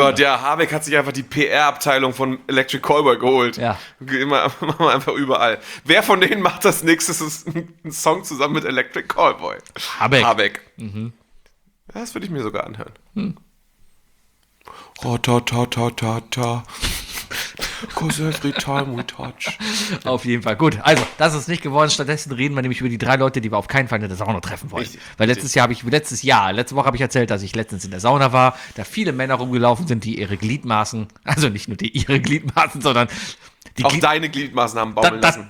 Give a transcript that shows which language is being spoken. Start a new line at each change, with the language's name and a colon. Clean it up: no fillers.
German: Oh Gott, ja, Habeck hat sich einfach die PR-Abteilung von Electric Callboy geholt. Ja. Machen wir einfach überall. Wer von denen macht das nächstes ein Song zusammen mit Electric Callboy? Habeck. Mhm. Das würde ich mir sogar anhören. Ta-ta-ta-ta-ta.
English: Cause every time we touch.
German: Auf jeden Fall. Gut, also, das ist nicht geworden. Stattdessen reden wir nämlich über die drei Leute, die wir auf keinen Fall in der Sauna treffen wollen. Richtig. Weil letzte Woche habe ich erzählt, dass ich letztens in der Sauna war, da viele Männer rumgelaufen sind, die ihre Gliedmaßen, also nicht nur ihre Gliedmaßen, sondern die auch deine Gliedmaßen haben baumeln lassen.